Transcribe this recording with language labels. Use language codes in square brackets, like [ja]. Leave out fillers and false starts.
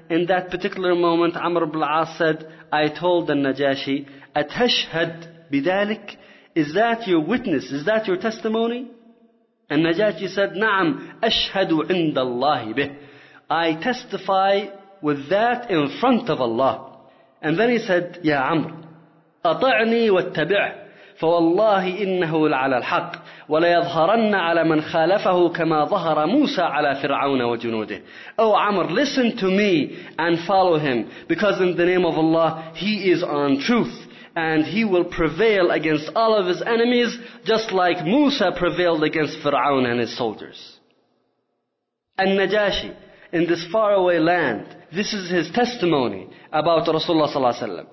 [en] In that particular moment, Amr ibn al-As said, I told al-Najashi, [ar] Atashhad bidalik? [en] Is that your witness? Is that your testimony? And Najashi said, [ar] Na'am, ashhadu inda Allahi bih. [en] I testify with that in front of Allah. And then he said, [ar] Ya Amr, ata'ni wa tabi'ah. فوالله إنه لعلى الحق ولا يظهرن على من خالفه كما ظهر موسى على فرعون وجنوده. [en] O Amr, listen to me and follow him, because in the name of Allah, he is on truth, and he will prevail against all of his enemies, just like Musa prevailed against Fir'aun and his soldiers. Al-Najashi, in this faraway land, this is his testimony about Rasulullah sallallahu alaihi wasallam.